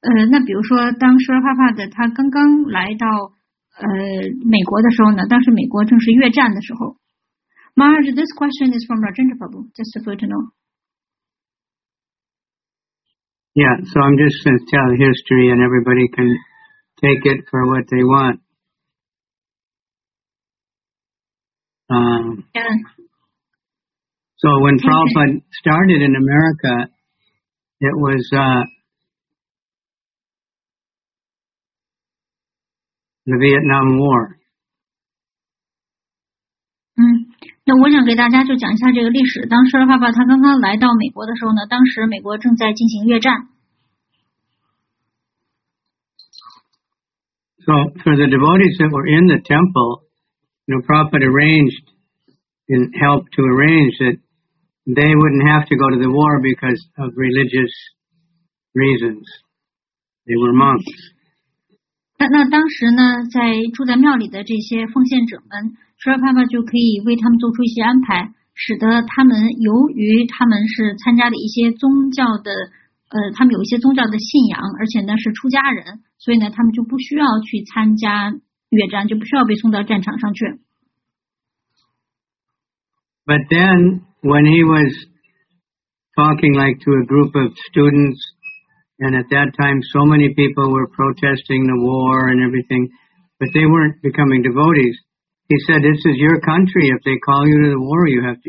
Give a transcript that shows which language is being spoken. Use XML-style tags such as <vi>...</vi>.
<zh>那比如说当舒尔帕帕的他刚刚来到美国的时候呢，当时美国正是越战的时候。</zh> <en>Maharaj, this question is from Rajendra Prabhu, just for you to know. Yeah, so I'm just going to tell history and everybody can take it for what they want. So when Prabhupada started in America, it was the Vietnam War.</en> <zh>那我想给大家就讲一下这个历史。当舍尔爸爸他刚刚来到美国的时候呢，当时美国正在进行越战。</zh> <en>So for the devotees that were in the temple, you know, Prabhupada arranged and helped to arrange that they wouldn't have to go to the war because of religious reasons. They were monks.</en> <zh>那当时呢，在住在庙里的这些奉献者们。舒拉帕帕就可以为他们做出一些安排，使得他们由于他们是参加了一些宗教的，他们有一些宗教的信仰，而且呢是出家人，所以呢他们就不需要去参加越战，就不需要被送到战场上去。</zh> <en>But then when he was talking like to a group of students, and at that time so many people were protesting the war and everything, but they weren't becoming devotees. He said, "This is your country. If they call you to the war, you have to.</en>